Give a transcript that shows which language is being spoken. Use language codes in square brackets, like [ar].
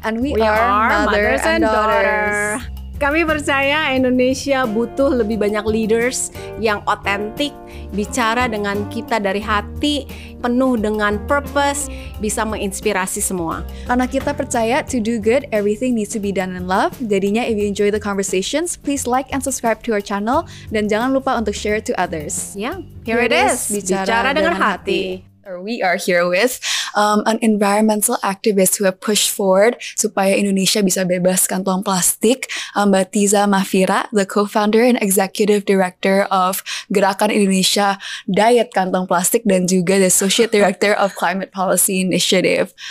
[en] and we are mothers and daughters. [id] Kami percaya Indonesia butuh lebih banyak leaders yang otentik, bicara dengan kita dari hati, penuh dengan purpose, bisa menginspirasi semua. Karena kita percaya [en] to do good, everything needs to be done in love. [id] Jadinya, [en] if you enjoy the conversations, please like and subscribe to our channel. [id] Dan jangan lupa untuk [en] share it to others. Yeah, here it is. [id] Bicara dengan hati. [en] We are here with an environmental activist who have pushed forward [id] supaya Indonesia bisa bebas kantong plastik, [en] Mbak Tiza Mafira, the co-founder and executive director of Gerakan Indonesia Diet Kantong Plastik [id] dan juga [en] the associate director of Climate Policy Initiative.